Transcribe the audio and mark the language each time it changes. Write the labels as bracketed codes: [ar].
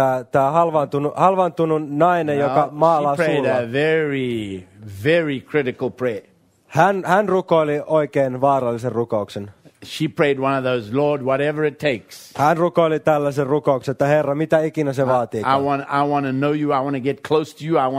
[fi] Tää halvaantunut nainen, well, joka maalaa suulla. [en] She prayed [fi] suulla. [en] A very, very critical prayer. [fi] Hän rukoili oikein vaarallisen rukouksen. [en] She prayed one of those, Lord, whatever it takes. [fi] Hän rukoili tällaisen rukouksen, että Herra, mitä ikinä se vaatii. [en] I want to know you, I want to get close to you,